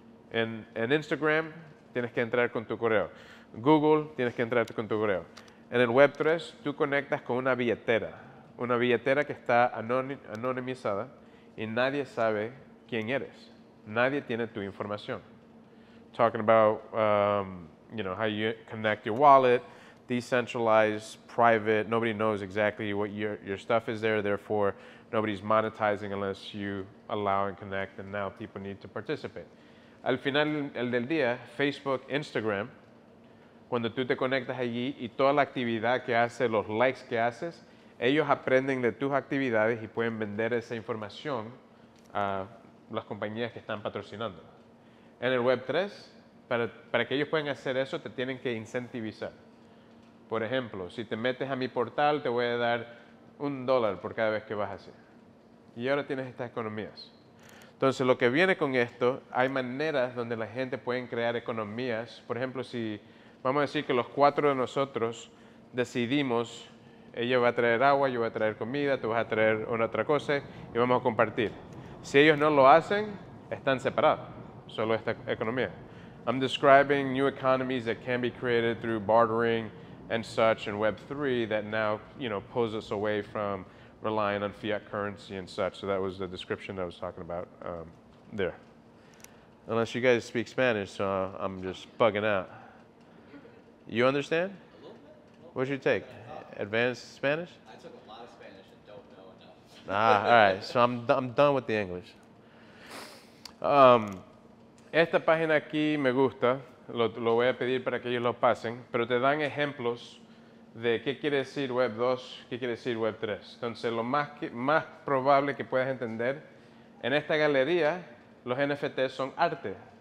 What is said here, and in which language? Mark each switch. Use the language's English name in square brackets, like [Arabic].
[Spanish] En Instagram tienes que entrar con tu correo, Google tienes que entrar con tu correo. En el Web 3, tú conectas con una billetera que está anonimizada y nadie sabe quién eres. Nadie tiene tu información. [English] Talking about, you know, how you connect your wallet, decentralized, private, nobody knows exactly what your stuff is there, therefore, nobody's monetizing unless you allow and connect, and now people need to participate. [Spanish] Al final del día, Facebook, Instagram, cuando tú te conectas allí y toda la actividad que haces, los likes que haces, ellos aprenden de tus actividades y pueden vender esa información a las compañías que están patrocinando. En el Web 3, para que ellos puedan hacer eso, te tienen que incentivizar. Por ejemplo, si te metes a mi portal, te voy a dar $1 por cada vez que vas a hacer. Y ahora tienes estas economías. Entonces, lo que viene con esto, hay maneras donde la gente puede crear economías. Por ejemplo, si... Vamos a decir que los cuatro de nosotros decidimos, ella va a traer agua, yo voy a traer comida, tú vas a traer una otra cosa y vamos a compartir. Si ellos no lo hacen, están separados, solo esta economía. [English] I'm describing new economies that can be created through bartering and such in Web 3 that now, you know, pulls us away from relying on fiat currency and such. So that was the description that I was talking about there. Unless you guys speak Spanish, so I'm just bugging out. You understand? A little bit. What's your take? Advanced Spanish? I took a lot of Spanish and don't know enough. Ah, all right. So I'm done with the English. [Spanish] Esta página aquí me gusta. Lo voy a pedir para que ellos lo pasen. Pero te dan ejemplos de qué quiere decir Web 2, qué quiere decir Web 3. Entonces, lo más probable que puedas entender, en esta galería, los NFTs son arte.